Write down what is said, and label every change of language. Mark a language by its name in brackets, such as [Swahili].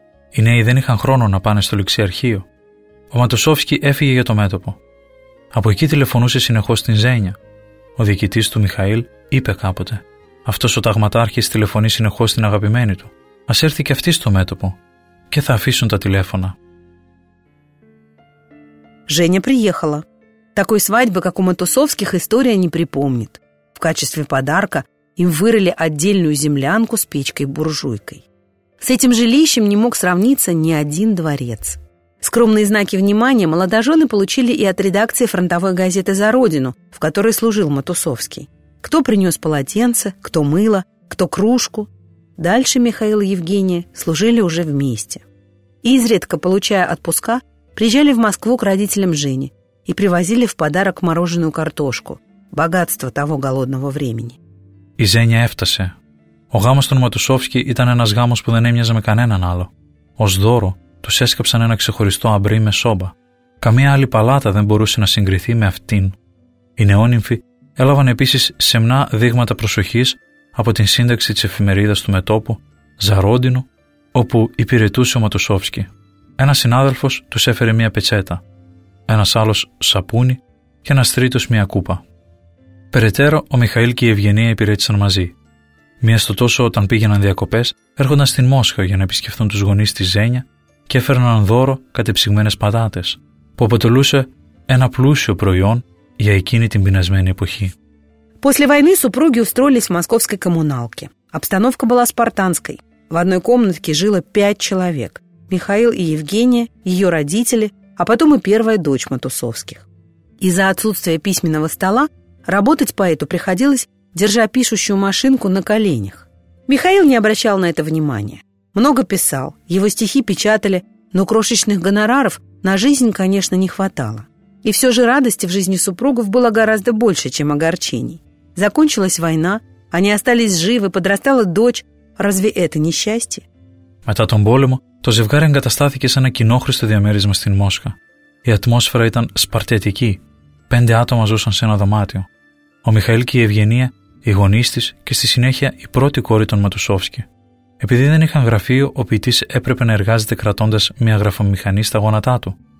[Greek] Οι νέοι δεν είχαν χρόνο να πάνε στο ληξιαρχείο. Ο Ματουσόφσκι έφυγε για το μέτωπο. Από εκεί τηλεφωνούσε συνεχώς στην Ζένια. Ο διοικητής του Μιχαήλ είπε κάποτε: «Αυτός ο ταγματάρχης τηλεφωνεί συνεχώς στην αγαπημένη του. Ας έρθει και αυτή στο μέτωπο και θα αφήσουν τα τηλέφωνα». [Russian] Женя приехала. Такой свадьбы, как у Матусовских, история не припомнит. В качестве подарка им вырыли отдельную землянку с печкой-буржуйкой. С этим жилищем не мог сравниться ни один дворец. Скромные знаки внимания молодожены получили и от редакции фронтовой газеты «За Родину», в которой служил Матусовский. Кто принес полотенце, кто мыло, кто кружку. Дальше Михаил и Евгения служили уже вместе. Изредка, получая отпуска, приезжали в Москву к родителям Жени и привозили в подарок мороженую картошку, богатство того голодного времени. [Greek] Η Ζένια έφτασε. Ο γάμος των Ματουσόφσκι ήταν ένας γάμος που δεν έμοιαζε με κανέναν άλλο. Ως δώρο τους έσκαψαν ένα ξεχωριστό αμπρί με σόμπα. Καμία άλλη παλάτα δεν μπορούσε να συγκριθεί με αυτήν. Οι νεόνυμφοι έλαβαν επίσης σεμνά δείγματα προσοχής από την σύνταξη της εφημερίδας του μετόπου, Ζαρόντινο, όπου υπηρετούσε ο Ματουσόφσκι. Ένας συνάδελφος τους έφερε μία πετσέτα, ένας άλλος σαπούνι και ένας τρίτος μία κούπα. Περαιτέρω, ο Μιχαήλ και η Ευγενία υπηρέτησαν μαζί. Μία στο τόσο, όταν πήγαιναν διακοπές, έρχονταν στην Μόσχα για να επισκεφθούν τους γονείς της Ζένια και έφερναν δώρο κατεψυγμένες πατάτες, που αποτελούσε ένα πλούσιο προϊόν για εκείνη την πεινασμένη εποχή. [Russian] После войны супруги устроились в московской коммуналке. Обстановка была спартанской. В одной комнатке жило 5 человек. Михаил и Евгения, ее родители, а потом и первая дочь Матусовских. Из-за отсутствия письменного стола работать поэту приходилось, держа пишущую машинку на коленях. Михаил не обращал на это внимания. Много писал, его стихи печатали, но крошечных гонораров на жизнь, конечно, не хватало. И все же радости в жизни супругов было гораздо больше, чем огорчений. Закончилась война, они остались живы, подрастала дочь. Разве это не счастье? [Greek] Μετά τον πόλεμο, το ζευγάρι εγκαταστάθηκε σε ένα κοινόχρηστο διαμέρισμα στην Μόσχα. Η ατμόσφαιρα ήταν σπαρτιατική. 5 άτομα ζούσαν σε ένα δωμάτιο. Ο Μιχαήλ και η Ευγενία, οι γονείς της και στη συνέχεια η πρώτη κόρη των Ματουσόφσκι. Επειδή δεν είχαν γραφείο, ο ποιητής έπρεπε να εργάζεται κρατώντας μια γραφομηχανή στα γόνατά του.